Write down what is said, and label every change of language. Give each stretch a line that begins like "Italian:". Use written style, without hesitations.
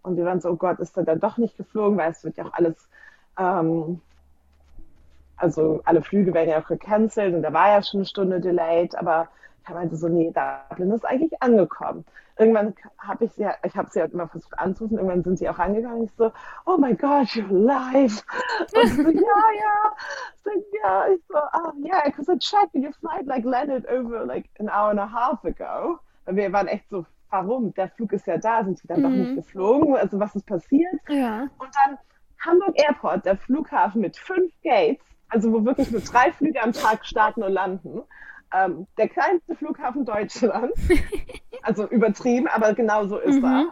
German: Und wir waren so, oh Gott, ist er dann doch nicht geflogen, weil es wird ja auch alles, also alle Flüge werden ja auch gecancelt und da war ja schon eine Stunde delayed, aber ich habe meinte so, nee, Dublin ist eigentlich angekommen. Irgendwann habe ich sie, ich habe sie halt immer versucht anzurufen, irgendwann sind sie auch angegangen. Ich so, oh mein Gott,
English: you're live.
German: Und sie so, ja. Ja, ich so,
English: oh yeah, because I checked and your flight like landed over like an hour and a half ago.
German: Und wir waren echt so, warum? Der Flug ist ja da, sind sie dann doch nicht geflogen? Also was ist passiert? Und dann Hamburg Airport, der Flughafen mit fünf Gates, also wo wirklich nur drei Flüge am Tag starten und landen. Der kleinste Flughafen Deutschlands, also übertrieben, aber genau so ist er.